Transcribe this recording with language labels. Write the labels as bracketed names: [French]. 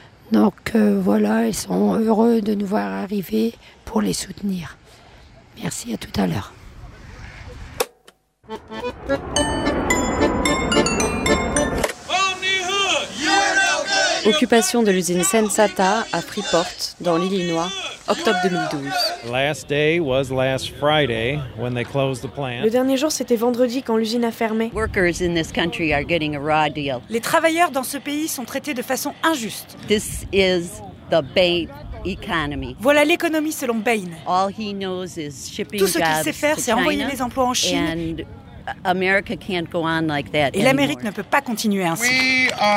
[French] Donc voilà, ils sont heureux de nous voir arriver pour les soutenir. Merci, à tout à l'heure. Occupation de l'usine Sensata à Freeport, dans l'Illinois, octobre 2012. [English] Last day was last Friday when they closed the plant. [French] Le dernier jour, c'était vendredi quand l'usine a fermé. [English] Workers in this country are getting a raw deal. [French] Les travailleurs dans ce pays sont traités de façon injuste. [English] This is the bait. Economy. [French] Voilà l'économie selon Bain. [English] All he knows is shipping. [French] Tout ce qu'il sait faire, c'est envoyer les emplois en Chine. [English] And America can't go on like that. [French] Et l'Amérique ne peut pas continuer ainsi.